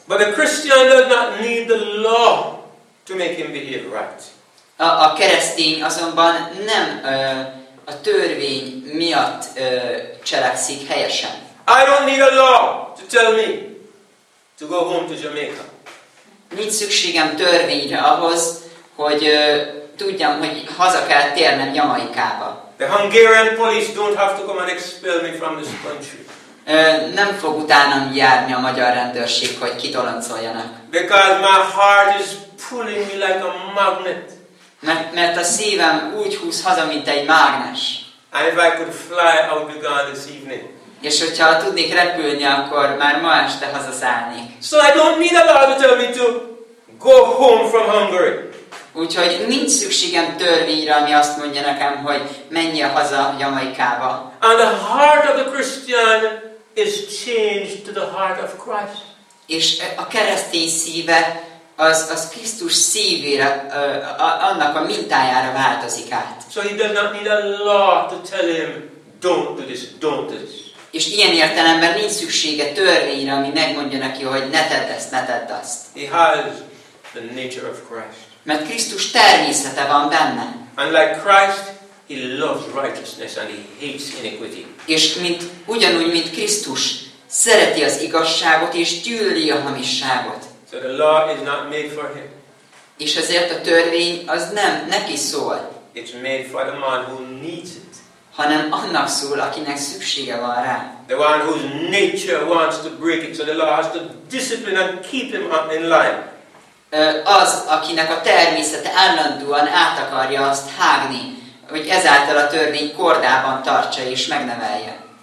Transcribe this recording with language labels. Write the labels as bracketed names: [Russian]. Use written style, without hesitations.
[English] But a Christian does not need the law to make him behave right. [Hungarian] A keresztény azonban nem a törvény miatt cselekszik helyesen. [English] I don't need a law to tell me to go home to Jamaica. [Hungarian] nincs szükségem törvényre ahhoz, hogy tudjam, hogy haza kell térnem Jamaikába. [English] The Hungarian police don't have to come and expel me from this country. [Hungarian] Nem fog utánam járni a magyar rendőrség, hogy kitoloncoljanak. [English] Because my heart is pulling me like a magnet. [Hungarian] Mert a szívem úgy húz haza, mint egy mágnes. [English] And if I could fly, I would be gone this evening. [Hungarian] És hogyha tudnék repülni, akkor már ma este hazaszállnék. [English] So I don't need a law to tell me to go home from Hungary. [Hungarian] Úgyhogy nincs szükségem törvényre, ami azt mondja nekem, hogy menjél haza Jamaikába. [English] And the heart of the Christian is changed to the heart of Christ. [Hungarian] És a keresztény szíve az Krisztus szívére, annak a mintájára változik át. [English] So he does not need a law to tell him, don't do this, don't do this. [Hungarian] És ilyen értelemben nincs szüksége törvényre, ami megmondja neki, hogy ne tedd ezt, ne tedd azt. [English] He has the nature of Christ. [Hungarian] Mert Krisztus természete van benne. [English] And like Christ, he loves righteousness and he hates iniquity. [Hungarian] És ugyanúgy, mint Krisztus, szereti az igazságot és gyűli a hamisságot. [English] So the law is not made for him. [Hungarian] És ezért a törvény az nem neki szól. [English] It's made for the man who needs it. [Hungarian] Hanem annak szól, akinek szüksége van rá. [English] The one whose nature wants to break it, so the law has to discipline and keep him up in line. [Hungarian] Az, akinek a természete állandóan át akarja azt hágni, hogy ezáltal a törvény kordában tartsa és megnevelje.